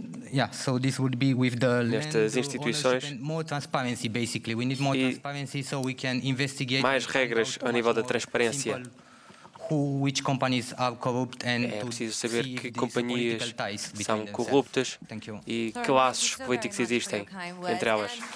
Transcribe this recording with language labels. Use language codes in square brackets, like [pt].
[en] Yeah, so this would be with the [pt] nestas instituições [en] more transparency, basically. We need more transparency so we can investigate [pt] mais regras ao nível da transparência. [en] Which companies are corrupt and [pt] é preciso saber que companhias são corruptas e que laços políticos existem entre elas.